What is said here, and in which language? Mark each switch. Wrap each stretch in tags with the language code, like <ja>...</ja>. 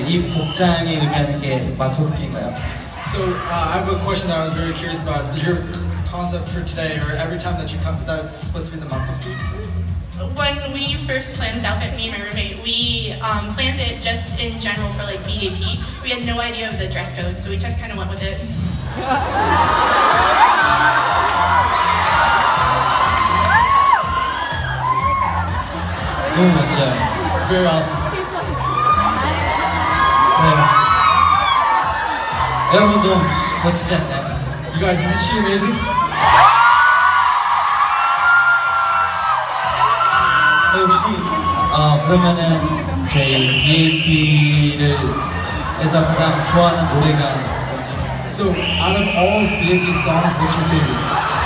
<ko>복장이 의미하는 게 맞춰볼게요.</ko> <en>So I have a question that I was very curious about. Your concept for today, or every time that you come, is that supposed to be the</en> <ko>맞춰볼게?</ko> <en>When we first planned this outfit, me and my roommate, we planned it just in general for like BAP. We had no idea of the dress code, so we just kind of went with it.</en> <ko>너무 멋져.</ko> <en>It's very awesome.</en> <ko>여러분도 멋지지 않나요?</ko> <en>You guys, isn't she amazing?</en> <ko>네, 혹시 그러면은 저희 BAP를 해서 가장 좋아하는 노래가 뭔지?</ko> <en>So, out of all BAP songs, what's your favorite?</en>